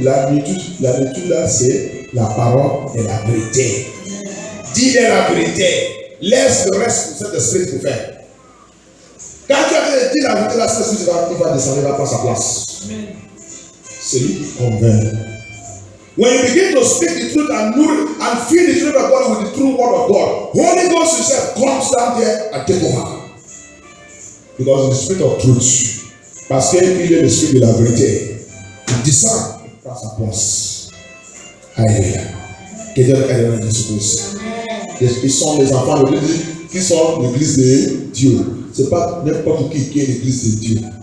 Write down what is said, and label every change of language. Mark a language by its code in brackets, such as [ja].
[fr] La nourriture là, c'est la parole et la vérité. Dis-les la vérité. Laisse le reste pour cet esprit pour faire. Quand tu as dit la vérité, là, c'est celui qui va descendre, il va prendre sa place. C'est lui qui convainc. [en] When you begin to speak the truth and nourish and feed the truth of God with the true word of God, Holy Ghost yourself comes down there and take over. Because of the spirit of truth. [fr] Parce qu'il est le spirit de la vérité. Il descend par sa place. Alléluia. Que Dieu aide dans Jésus-Christ. Ils sont les enfants de l'église. Qui sont l'église de Dieu. Ce n'est pas n'importe qui est l'église de Dieu.